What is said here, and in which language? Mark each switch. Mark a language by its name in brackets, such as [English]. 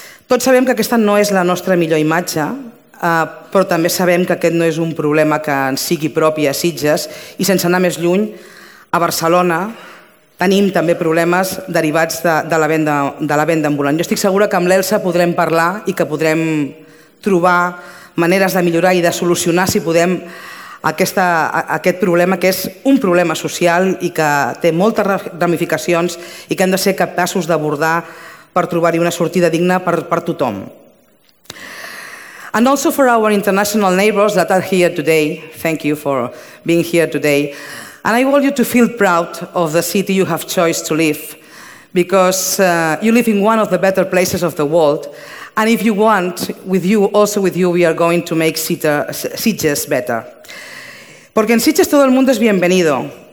[Catalan] Tots sabem que aquesta no és la nostra millor imatge, però també sabem que aquest no és un problema que ens sigui propi a Sitges i sense anar més lluny, a Barcelona tenim també problemes derivats de la venda ambulant. Jo estic segura que amb l'Elsa podrem parlar i que podrem trobar maneres de millorar i de solucionar, si podem, aquest problema, que és un problema social i que té moltes ramificacions i que hem de ser capaços d'abordar per trobar-hi una sortida digna per tothom. [English] And also for our international neighbors that are here today, thank you for being here today. And I want you to feel proud of the city you have chosen to live, because you live in one of the better places of the world. And if you want, with you, also with you, we are going to make Sitges better. [Spanish] Porque en Sitges todo el mundo es bienvenido.